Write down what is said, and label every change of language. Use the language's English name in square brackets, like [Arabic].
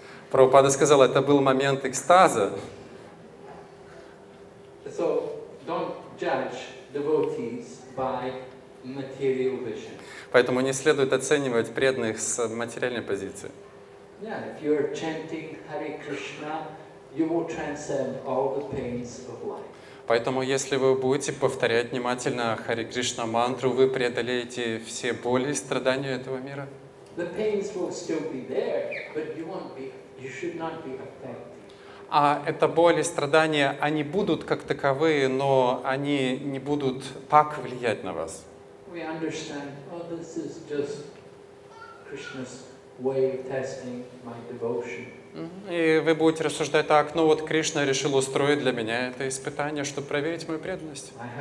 [Russian] Прабхупада сказал, это был момент экстаза. [English] So, don't judge devotees by material vision. [Russian] Поэтому не следует оценивать преданных с материальной позиции. [English] Yeah, if you're chanting Hare Krishna, you will transcend all the pains of life. [Russian] Поэтому, если вы будете повторять внимательно Хари Кришна мантру, вы преодолеете все боли и страдания этого мира. [English] The pains will still be there, but you should not be affected. [Russian] А это боли и страдания, они будут как таковые, но они не будут так влиять на вас. [English] We understand, oh, this is just Krishna's way of testing my devotion. [Russian] И вы будете рассуждать так, ну вот Кришна решил устроить для меня это испытание, чтобы проверить мою преданность.